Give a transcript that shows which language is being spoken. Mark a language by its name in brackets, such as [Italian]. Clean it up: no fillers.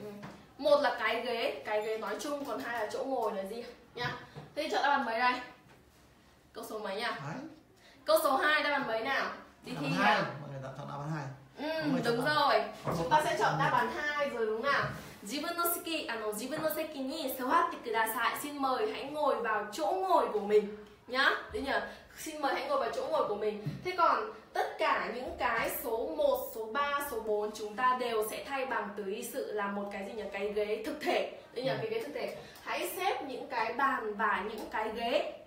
[Vietnamese] Ừ. Một là cái ghế nói chung, còn hai là chỗ ngồi là gì nhá. Thế chọn đáp án mấy đây? Câu số mấy nhỉ? Đấy. Câu số 2 đáp án mấy nào? Đi thi nhỉ? Mọi người chọn đáp án 2. Đúng rồi. Chúng ta sẽ chọn đáp án 2 rồi đúng không nào? [Japanese] 自分の席、自分の席 に座ってください. [Vietnamese] Xin mời hãy ngồi vào chỗ ngồi của mình nhá. Đấy nhỉ? Xin mời hãy ngồi vào chỗ ngồi của mình. Thế còn tất cả những cái số 1, số 3, số 4 chúng ta đều sẽ thay bằng từ ý sự là một cái gì nhỉ? Cái ghế thực thể. Đấy nhỉ? Cái ghế thực thể. Hãy xếp những cái bàn và những cái ghế.